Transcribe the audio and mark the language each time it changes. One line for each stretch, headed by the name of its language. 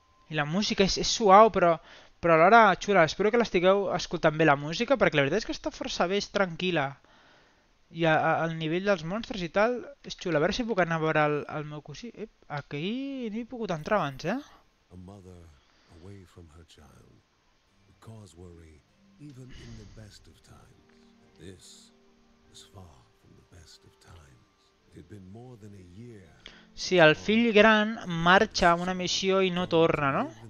Catalan: I la música és suau, però alhora xula. Espero que l'estigueu escoltant bé la música, perquè la veritat és que està força bé, és tranquil·la. I el nivell dels monstres i tal, és xula. A veure si puc anar a veure el meu cosí. Ep, aquí no he pogut entrar abans, eh?
English: Away from her child, cause worry even in the best of times. This was far from the best of times. It had been more than a year.
Catalan: Si el fill gran marxa a una missió i no torna, no?